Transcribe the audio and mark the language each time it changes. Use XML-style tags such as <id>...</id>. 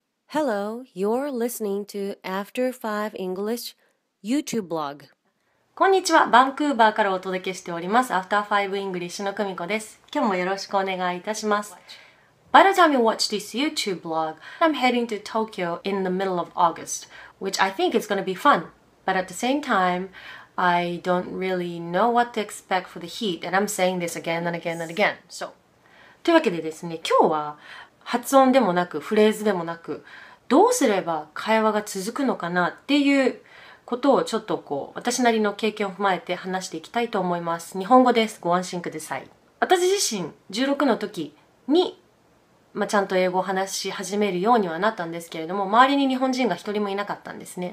<en>Hello, you're listening to After 5 English YouTube blog.</en> <ja>こんにちは、バンクーバーからお届けしております After 5 English の久美子です。今日もよろしくお願いいたします。</ja> <en>By the time you watch this YouTube blog, I'm heading to Tokyo in the middle of August, which I think is going to be fun. But at the same time, I don't really know what to expect for the heat, and I'm saying this again and again and again.</en> <ja>So, というわけでですね、今日は発音でもなくフレーズでもなく、どうすれば会話が続くのかなっていうことをちょっとこう私なりの経験を踏まえて話していきたいと思います。日本語です、ご安心ください。私自身16の時に、ちゃんと英語を話し始めるようにはなったんですけれども、周りに日本人が一人もいなかったんですね。</ja>